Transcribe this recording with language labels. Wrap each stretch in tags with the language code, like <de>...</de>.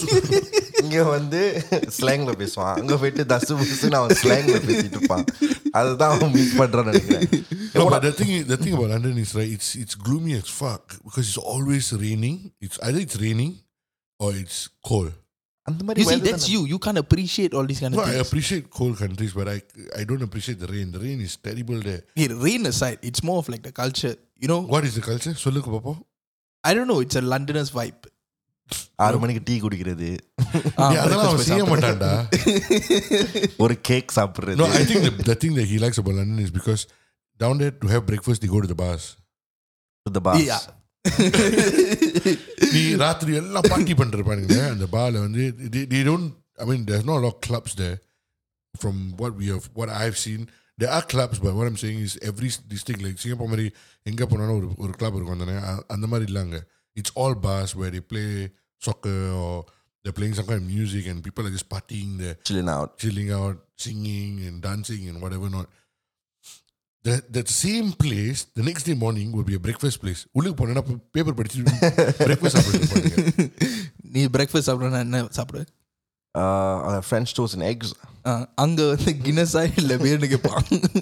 <ta>But also இங்க வந்து ஸ்லாங்ல பேசுவான் அங்க போயிட்டு தசு புசுன்னு அவன் ஸ்லாங்ல பேசிட்டு இருப்பான் அதுதான் அவன் மிஸ் பண்றான்னு நினைக்கிறேன்.</ta> <en>No, but the thing about London is right, it's gloomy as fuck because it's always raining. It's either it's raining or it's cold. And the money, you see, that's you. You can't appreciate all these kind of things. I appreciate cold countries, but I don't appreciate the rain. The rain is terrible there. Hey, rain aside, it's more of like the culture, you know. What is the culture? சொல்லுங்க பாப்போம். I don't know, it's a Londoner's vibe.</en> <ta>6 மணிக்கு tea குடிக்கிறது அதெல்லாம் செய்ய மாட்டான்டா. ஒரு cake சாப்பிடுறது.</ta> <en>No, I think the thing that he likes about London is because down there to have breakfast they go to the bars. To the bars. Yeah. நீ ராத்திரி எல்லாம் party பண்றப்பானுங்க அந்த பார்ல வந்து they don't, I mean there's not a lot of clubs there from what I've seen. There are clubs, but what I'm saying is every district like Singapore மாதிரி எங்க போனாலும் ஒரு கிளப் இருக்கும் அந்த மாதிரி இல்லாங்க. It's all bars where they play soccer or they're playing some kind of music and people are just partying there. Chilling out, singing and dancing and whatever not. That same place, the next day morning, will be a breakfast place.</en> <ta>உள்ளுக்கு போனா paper படிச்சு breakfast சாப்பிடுறீங்க. நீ breakfast சாப்பிடுறா என்ன சாப்பிடுற?</ta> <en>French toast and eggs.</en> <ta>அங்க வந்து Guinness இல்ல பியர்னு கேட்பாங்க.</ta>